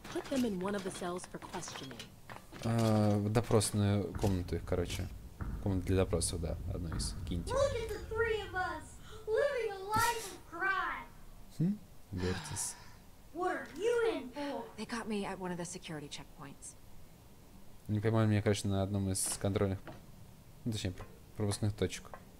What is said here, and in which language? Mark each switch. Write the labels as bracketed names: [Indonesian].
[English] them in one of the cells for questioning. [Russian] Допросную комнату их, короче. Комнату для допросов, да, одну из. Киньте. [English] Look at the three of us living a life of crime. [Russian] Бертис. [English] What are you in for? They caught me at one of the security checkpoints. [Russian] Не поймали меня, конечно, на одном из контрольных, ну, точнее, пропускных точек.